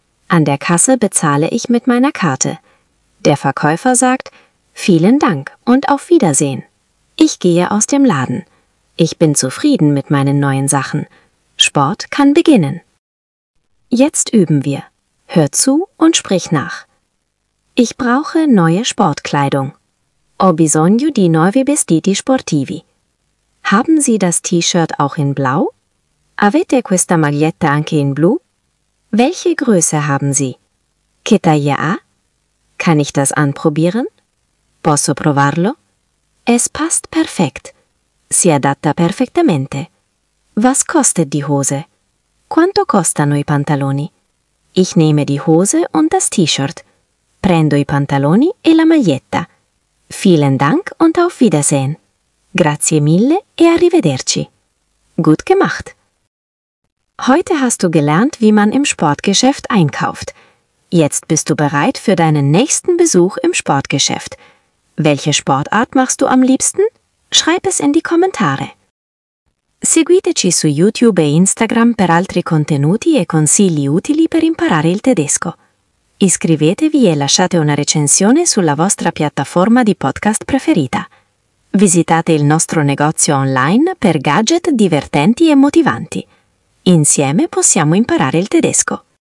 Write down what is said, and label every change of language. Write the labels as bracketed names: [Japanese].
[German] An der Kasse bezahle ich mit meiner Karte. Der Verkäufer sagt, vielen Dank und auf Wiedersehen. Ich gehe aus dem Laden. Ich bin zufrieden mit meinen neuen Sachen. Sport kann beginnen. Jetzt üben wir. Hör zu und sprich nach. Ich brauche neue Sportkleidung. [Italian] Ho bisogno di nuovi vestiti sportivi. [German] Haben Sie das T-Shirt auch in blau? [Italian] Avete questa maglietta anche in blu? [German] Welche Größe haben Sie? [Italian] Che taglia ha? [German] Kann ich das anprobieren? [Italian] Posso provarlo? [German] Es passt perfekt. [Italian] Si adatta perfettamente. [German] Was kostet die Hose? [Italian] Quanto costano i pantaloni? [German] Ich nehme die Hose und das T-Shirt. [Italian] Prendo i pantaloni e la maglietta. [German] Vielen Dank und auf Wiedersehen. [Italian] Grazie mille e arrivederci. [German] Gut gemacht. Heute hast du gelernt, wie man im Sportgeschäft einkauft. Jetzt bist du bereit für deinen nächsten Besuch im Sportgeschäft. Welche Sportart machst du am liebsten? Schreib es in die Kommentare. [Italian] Seguiteci su YouTube e Instagram per altri contenuti e consigli utili per imparare il tedesco. Iscrivetevi e lasciate una recensione sulla vostra piattaforma di podcast preferita. Visitate il nostro negozio online per gadget divertenti e motivanti. Insieme possiamo imparare il tedesco.